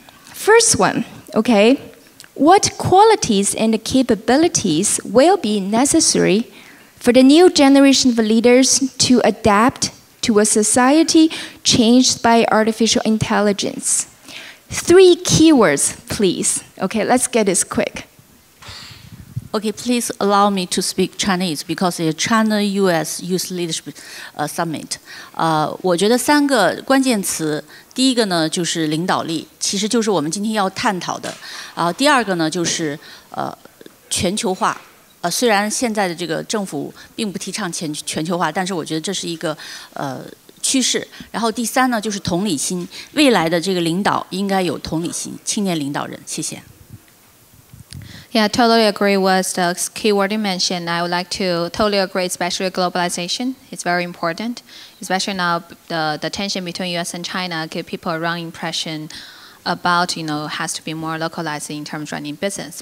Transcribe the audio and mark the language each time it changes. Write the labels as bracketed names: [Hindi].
[English] First one, okay, what qualities and capabilities will be necessary for the new generation of leaders to adapt to a society changed by artificial intelligence? Three keywords, please. Okay, let's get this quick. Okay, please allow me to speak Chinese because the China-US Youth Leadership Summit. [Chinese] 我觉得三个关键词，第一个呢就是领导力，其实就是我们今天要探讨的。第二个呢就是全球化。虽然现在的这个政府并不提倡全球化，但是我觉得这是一个趋势。然后第三呢就是同理心，未来的这个领导应该有同理心，青年领导人，谢谢。 [English] Yeah, totally agree with the keyword you mentioned. I would like to totally agree, especially globalization. It's very important, especially now the tension between US and China give people a wrong impression about, you know, has to be more localized in terms of running business.